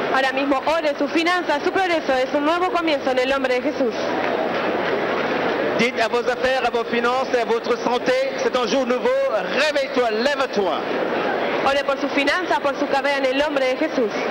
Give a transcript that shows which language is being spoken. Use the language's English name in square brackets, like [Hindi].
[Spanish] Ahora mismo ore su finanza, su progreso, es un nuevo comienzo en el nombre de Jesús. [French] Dites a vos affaires, a vos finances et a votre santé, c'est un jour nouveau, réveille-toi, lève-toi. [Spanish] Ore por su finanza, por su cabeza en el nombre de Jesús.